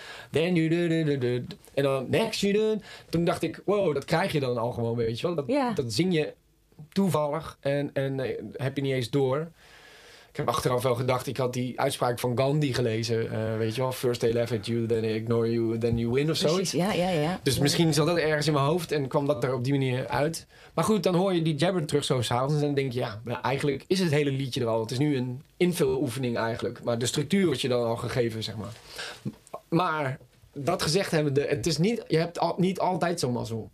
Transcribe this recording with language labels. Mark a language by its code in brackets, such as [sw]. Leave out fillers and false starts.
[en] Then you... [nl] En dan [en] next you... [nl] Toen dacht ik, wow, dat krijg je dan al gewoon, weet je wel. Dat zing je toevallig en heb je niet eens door. Ik heb achteraf wel gedacht, ik had die uitspraak van Gandhi gelezen. Weet je wel, [en] first they laugh at you, then they ignore you, then you win [nl] of zoiets. Ja, ja, ja. Dus misschien zat dat ergens in mijn hoofd en kwam dat er op die manier uit. Maar goed, dan hoor je die jabber terug zo 's avonds en dan denk je, ja, eigenlijk is het hele liedje er al. Het is nu een invuloefening eigenlijk. Maar de structuur wordt je dan al gegeven, zeg maar. Maar dat gezegd hebbende, het is niet, je hebt niet altijd zo'n mazzel.